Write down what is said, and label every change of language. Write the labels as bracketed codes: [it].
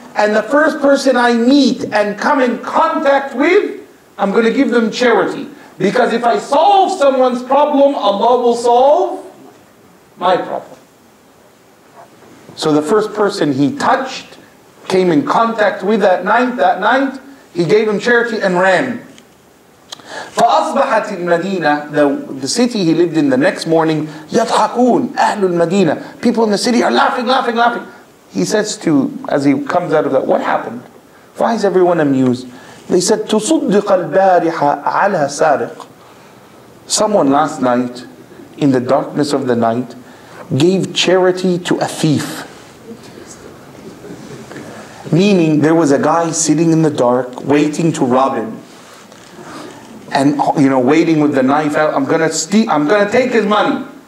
[en] And the first person I meet and come in contact with, I'm going to give them charity. Because if I solve someone's problem, Allah will solve my problem. So the first person he touched, came in contact with that night, he gave him charity and ran. [ar] فأصبحت المدينة, [en] the city he lived in the next morning, [ar] يضحكون أهل المدينة. [en] People in the city are laughing. He says to, as he comes out of that, what happened? Why is everyone amused? They said, [ar] تصدق البارحة على سارق. [en] Someone last night, in the darkness of the night, gave charity to a thief. Meaning there was a guy sitting in the dark waiting to rob him. And you know, waiting with the knife out, I'm gonna take his money.